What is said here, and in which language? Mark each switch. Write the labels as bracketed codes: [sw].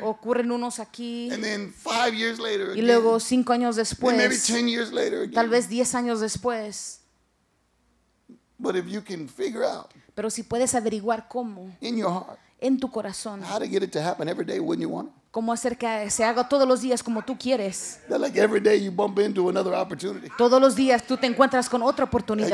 [es] Ocurren unos aquí. [en] And then 5 years later. [es] Y luego 5 años después. [en] Then maybe 10 years later. Again. [es] Tal vez 10 años después. [en] But if you can figure out. [es] Pero si puedes averiguar cómo. [en] In your heart. [es] En tu corazón. [en] How to get it to happen every day when you want it. [es] Cómo hacer que se haga todos los días como tú quieres. [en] That like every day you bump into another opportunity. [es] Todos los días tú te encuentras con otra oportunidad.